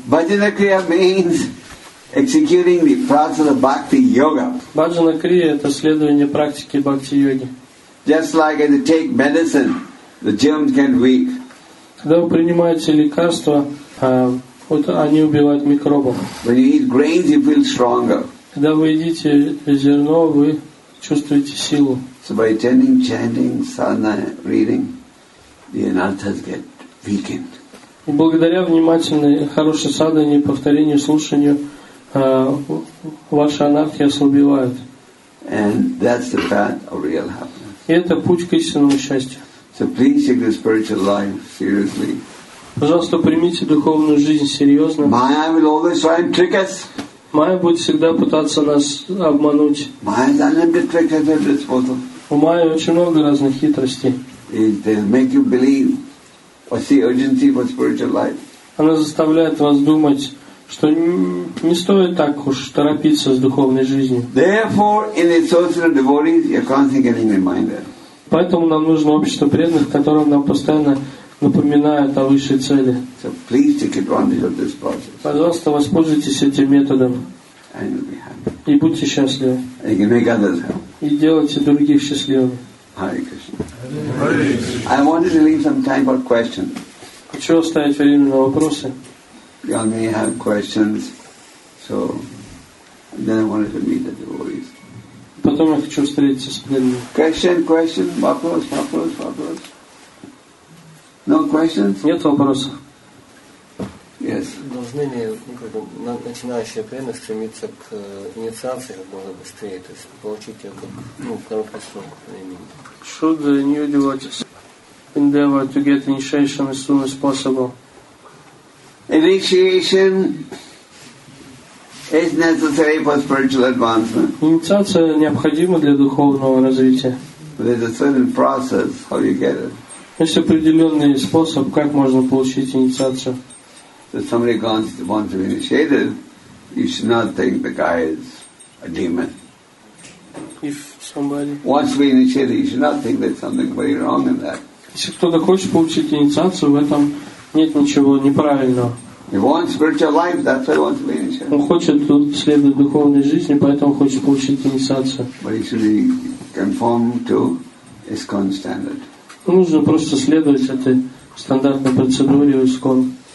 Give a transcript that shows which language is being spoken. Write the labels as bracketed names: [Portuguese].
[English] Bhajana-kriya means executing the process of bhakti-yoga. [Russian] Bhajana-kriya – это следование практики бхакти-йоги. [English] Just like if you take medicine, the germs get weak. [Russian] Когда вы принимаете лекарства, вот они убивают микробов. [English] When you eat grains, you feel stronger. [Russian] Когда вы едите зерно, вы чувствуете силу. [English] So by attending, chanting, sadhana, reading, the anarthas get weakened. [Russian] Благодаря внимательной, хорошей садхане, повторению, слушанию, ваши анархи ослабевают. [English] And that's the path of real happiness. [Russian] И это путь к истинному счастью. [English] So please take the spiritual life seriously. [Russian] Пожалуйста, примите духовную жизнь серьезно. [English] Maya will always try and trick us. [Russian] Майя будет всегда пытаться нас обмануть. [English] Maya is unlimited trick at her disposal. [Russian] У Майи очень много разных хитростей. [English] They'll make you believe. I see urgency for spiritual life. [Russian] Она заставляет вас думать, что не стоит так уж торопиться с духовной жизнью. [English] Therefore, in the association of devotees, you're constantly getting reminded. [Russian] Поэтому нам нужно общество преданных, которое нам постоянно напоминает о высшей цели. [English] So please take advantage of this process. [Russian] Пожалуйста, воспользуйтесь этим методом. [English] And you'll be happy. [Russian] И будьте счастливы. [English] And you can make others happy. [Russian] И делайте других счастливыми. [English] Hare Krishna. I wanted to leave some time for questions. [Russian] Хочу оставить время на вопросы. [English] You all may have questions, so then I wanted to meet the devotees. [Russian] Потом я хочу встретиться с преданными. [English] Question, [Russian] вопрос. [English] No questions? [Russian] Нет вопросов. [English] Yes. [Russian] Должны ли начинающие преданные стремиться к инициации как можно быстрее, то есть получить ее как короткий срок времени? [English] Should the new devotees endeavor to get initiation as soon as possible? Initiation is necessary for spiritual advancement. [Russian] Инициация необходима для духовного развития. [English] There's a certain process how you get it. [Russian] Есть определенный способ, как можно получить инициацию. [English] If somebody wants to be initiated, you should not think the guy is a demon. If somebody wants to be initiated, you should not think there's something very wrong in that. [Russian] Если кто-то хочет получить инициацию, в этом нет ничего неправильного. [English] If he wants spiritual life, that's why he wants to be initiated. [Russian] Он хочет следовать духовной жизни, поэтому хочет получить инициацию. [English] But he should conform to ISKCON standard. [Russian] Нужно просто следовать этой стандартной процедуре ISKCON.